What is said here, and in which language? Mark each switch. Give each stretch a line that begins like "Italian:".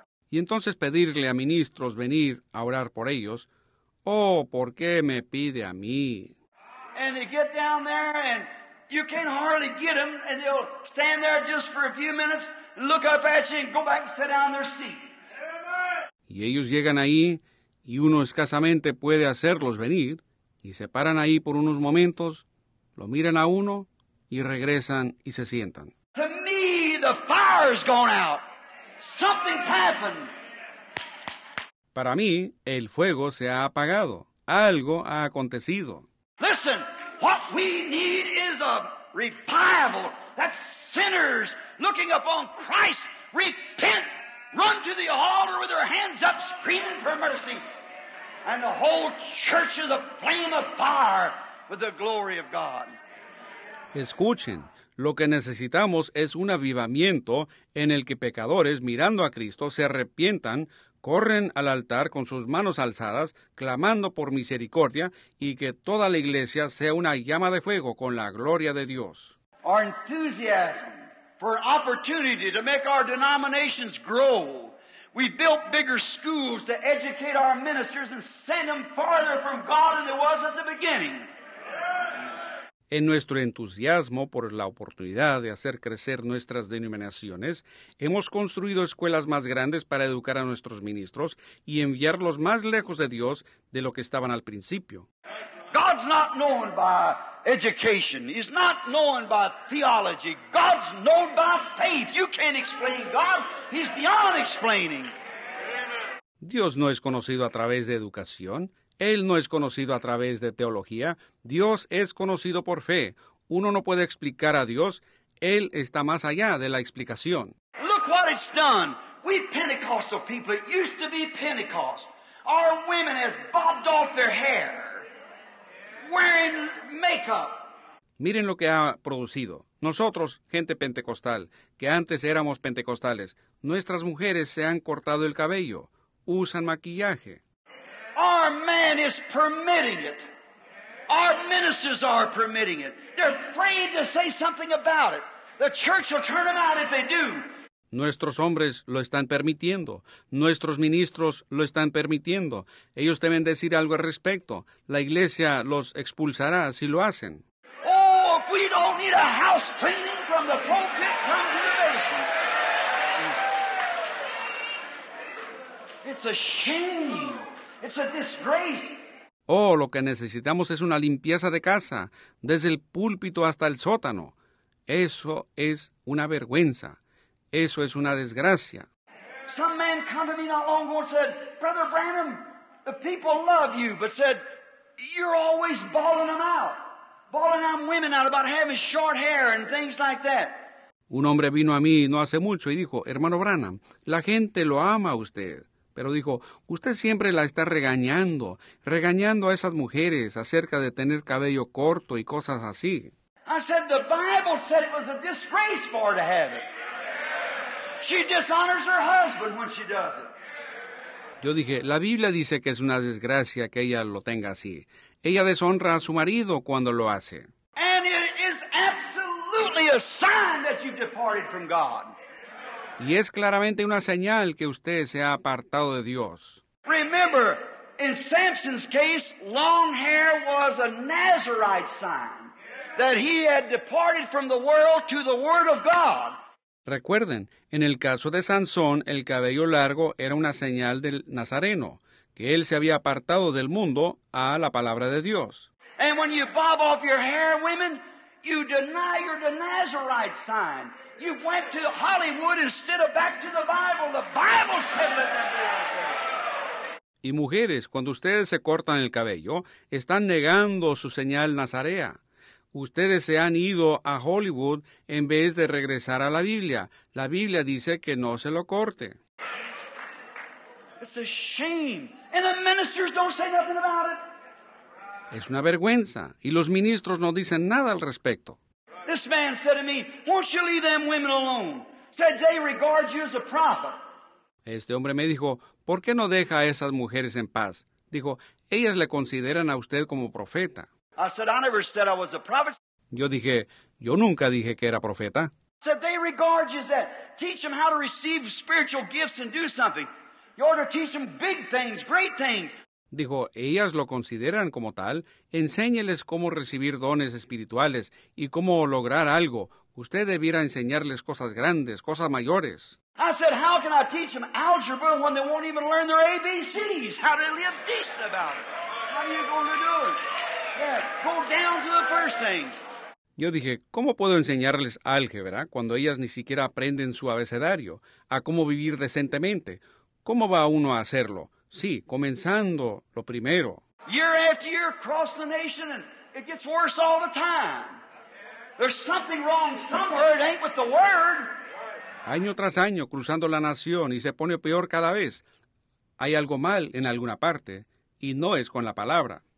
Spanish: Y entonces pedirle a ministros venir a orar por ellos. Oh, ¿por qué me pide a mí?
English: And they get down there and you can hardly get them and they'll stand there just for a few minutes, look up at you and go back and sit down in their seat.
Spanish: Y ellos llegan ahí y uno escasamente puede hacerlos venir, y se paran ahí por unos momentos, lo miran a uno, y regresan y se sientan.
English: To me, the fire's gone out. Something's happened.
Spanish: Para mí, el fuego se ha apagado. Algo ha acontecido.
English: Listen, what we need is a revival that sinners looking upon Christ repent. Run to the altar with their hands up, screaming for mercy. And the whole church is a flame of fire with the glory of God.
Spanish: Escuchen, lo que necesitamos es un avivamiento en el que pecadores, mirando a Cristo, se arrepientan, corren al altar con sus manos alzadas, clamando por misericordia, y que toda la iglesia sea una llama de fuego con la gloria de Dios.
English: Our enthusiasm for an opportunity to make our denominations grow. We built bigger schools to educate our ministers and send them farther from God than there was at the beginning.
Spanish: En nuestro entusiasmo por la oportunidad de hacer crecer nuestras denominaciones, hemos construido escuelas más grandes para educar a nuestros ministros y enviarlos más lejos de Dios de lo que estaban al principio.
English: God's not known by education. He's not known by theology. God's known by faith. You can't explain God. He's beyond explaining.
Spanish: Dios no es conocido a través de educación. Él no es conocido a través de teología. Dios es conocido por fe. Uno no puede explicar a Dios. Él está más allá de la explicación.
English: Look what it's done. We Pentecostal people, it used to be Pentecost. Our women has bobbed off their hair. Wearing makeup.
Spanish: Miren lo que ha producido. Nosotros, gente pentecostal, que antes éramos pentecostales, nuestras mujeres se han cortado el cabello. Usan maquillaje.
English: Our man is permitting it. Our ministers are permitting it. They're afraid to say something about it. The church will turn them out if they do.
Spanish: Nuestros hombres lo están permitiendo. Nuestros ministros lo están permitiendo. Ellos deben decir algo al respecto. La iglesia los expulsará si lo hacen.
English: Oh, if we don't need a house cleaning from the pulpit, come to the basement. It's a shame. It's a disgrace.
Spanish: Oh, lo que necesitamos es una limpieza de casa, desde el púlpito hasta el sótano. Eso es una vergüenza. Eso es una desgracia.
English: Some man came to me not long ago and said, Brother Branham, the people love you, but said, you're always bawling out women out about having short hair and things like that.
Spanish: Un hombre vino a mí no hace mucho y dijo, hermano Branham, la gente lo ama a usted. Pero dijo, usted siempre la está regañando a esas mujeres acerca de tener cabello corto y cosas así.
English: I said, the Bible said it was a disgrace for her to have it. She dishonors her husband when she does it.
Spanish: Yo dije, la Biblia dice que es una desgracia que ella lo tenga así. Ella deshonra a su marido cuando lo hace.
English: And it is absolutely a sign that you've departed from God.
Spanish: Y es claramente una señal que usted se ha apartado de Dios.
English: Remember, in Samson's case, long hair was a Nazarite sign that he had departed from the world to the Word of God.
Spanish: Recuerden, en el caso de Sansón, el cabello largo era una señal del Nazareno, que él se había apartado del mundo a la palabra de Dios.
English: And when you bob off your hair, women, you deny your Nazarite sign. You went to Hollywood instead of back to the Bible. The Bible said let them be like that.
Spanish: Y mujeres, cuando ustedes se cortan el cabello, están negando su señal nazarea. Ustedes se han ido a Hollywood en vez de regresar a la Biblia. La Biblia dice que no se lo corte.
English: It's a shame. And the ministers don't say nothing about it.
Spanish: Es una vergüenza. Y los ministros no dicen nada al respecto.
English: This man said to me, won't you leave them women alone? Said they regard you as a prophet.
Spanish: Este hombre me dijo, ¿por qué no deja a esas mujeres en paz? Dijo, ellas le consideran a usted como profeta.
English: I said, I never said I was a prophet.
Spanish: Yo dije, yo nunca dije que era profeta.
English: Said they regard you as that. Teach them how to receive spiritual gifts and do something. You ought to teach them big things, great things.
Spanish: Dijo, ellas lo consideran como tal. Enséñeles cómo recibir dones espirituales y cómo lograr algo. Usted debiera enseñarles cosas grandes, cosas mayores.
English: I said, how can I teach them algebra when they won't even learn their ABCs? How to live decent about it? How are you going to do it? Yeah, go down to the first thing.
Spanish: Yo dije, ¿cómo puedo enseñarles álgebra cuando ellas ni siquiera aprenden su abecedario? ¿A cómo vivir decentemente? ¿Cómo va uno a hacerlo? Sí, comenzando lo primero.
English: Year after year across the nation and it gets worse all the time. There's something wrong somewhere. It ain't with the word.
Spanish: Año tras año cruzando la nación y se pone peor cada vez. Hay algo mal en alguna parte y no es con la palabra.